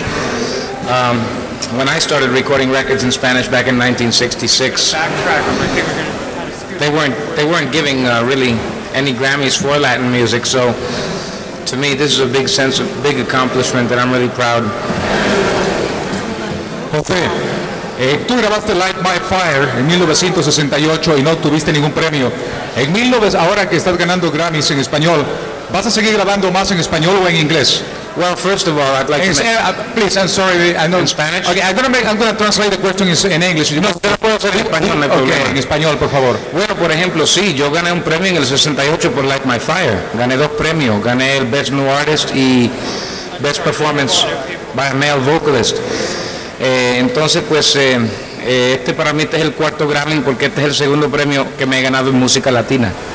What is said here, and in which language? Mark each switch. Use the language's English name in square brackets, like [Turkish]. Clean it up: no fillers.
[English] When I started recording records in Spanish back in 1966, they weren't giving really any Grammys for Latin music. So to me, this is a big sense of big accomplishment that I'm really proud. [Spanish] Jose, tú grabaste Light My Fire en 1968 y no tuviste ningún premio. Ahora que estás ganando Grammys en español, ¿vas a seguir grabando más en español o en inglés? [English] Well, first of all, I'd like to make... Please, I'm sorry, I know... In Spanish? Okay, I'm going to translate the question in English. [Spanish] No, pero puedo hacer en español, no hay problema. Okay, en español, por favor. Bueno, por ejemplo, sí, yo gané un premio en el 68 por Light My Fire. Gané dos premios. Gané el Best New Artist y Best Performance by a Male Vocalist. Entonces, pues, este para mí este es el cuarto Grammy porque este es el segundo premio que me he ganado en música latina.